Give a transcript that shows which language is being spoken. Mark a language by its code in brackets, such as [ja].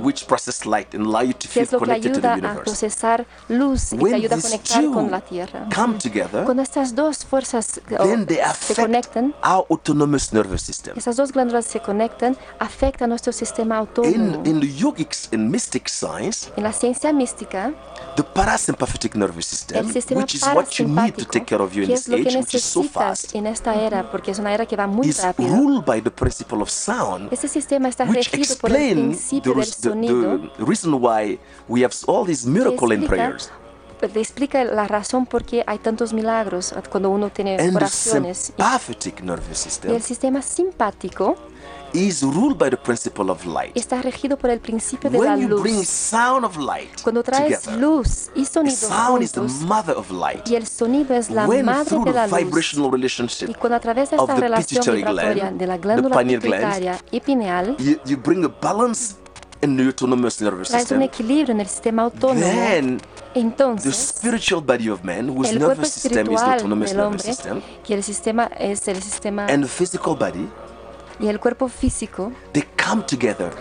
[en] which processes light and allow you to feel connected to the universe. [es] Que es lo que ayuda a procesar luz y te ayuda a conectar con la tierra. [en] Come together, [es] cuando estas dos fuerzas se conectan, [en] our autonomous nervous system. [es] Esas dos glándulas se conectan, afecta nuestro sistema autónomo. [en] In the yogic and mystic science, [es] en la ciencia mística, [en] the parasympathetic nervous system, [es] el sistema [en] which is what you need to take care of you in this age, which is so fast, [es] en esta era, porque es una era que va muy [en] is [es] rápido, [en] ruled by the principle of sound, [es] este sistema está [en] which [es] regido por el principio del sonido, [en] the reason why we have all these miracles in prayers. [es] Le explica la razón por qué hay tantos milagros cuando uno tiene [en] and [es] oraciones. [en] The sympathetic nervous system. [es] El sistema simpático [en] is ruled by the principle of light. [es] Está regido por el principio [en] when [es] de la [en] you [es] luz. [en] Bring sound of light [es] cuando traes [en] together, [es] luz y sonido [en] sound [es] juntos, [en] is the mother of light. [es] Y el sonido es la [en] when [es] madre [en] through [es] de la [en] the vibrational relationship [es] y cuando a través de esta relación vibratoria de la glándula pituitaria y pineal, [en] you bring a balance in the autonomous nervous system. [es] Traes un equilibrio en el sistema autónomo. [en] Then, [es] entonces, [en] the spiritual body of man, whose nervous system is the autonomous [es] hombre, [en] nervous system, [es] que el sistema es el sistema, [en] and the physical body, [es] y el cuerpo físico, [en] they come together,